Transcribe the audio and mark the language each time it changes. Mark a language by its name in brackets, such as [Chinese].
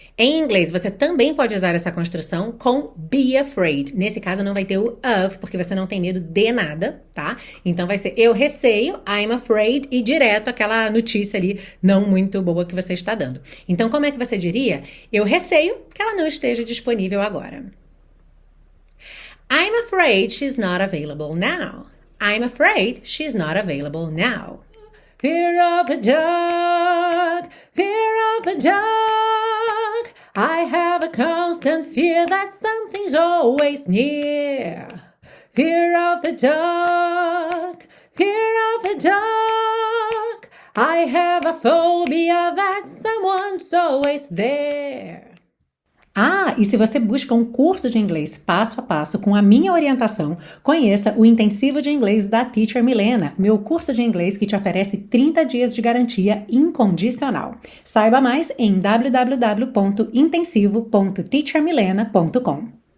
[Portuguese] Em inglês, você também pode usar essa construção com be afraid. Nesse caso, não vai ter o of, porque você não tem medo de nada, tá? Então, vai ser eu receio, [English] I'm afraid. [Portuguese] E direto aquela notícia ali não muito boa que você está dando. Então, como é que você diria? Eu receio que ela não esteja disponível agora. [English] I'm afraid she's not available now. I'm afraid she's not available now. Fear of the dark, fear of the dark. I have a constant fear that something's always near. Fear of the dark, fear of the dark. I have a phobia that someone's always there. [Portuguese] Ah, e se você busca um curso de inglês passo a passo com a minha orientação, conheça o Intensivo de Inglês da Teacher Milena, meu curso de inglês que te oferece 30 dias de garantia incondicional. Saiba mais em www.intensivo.teachermilena.com.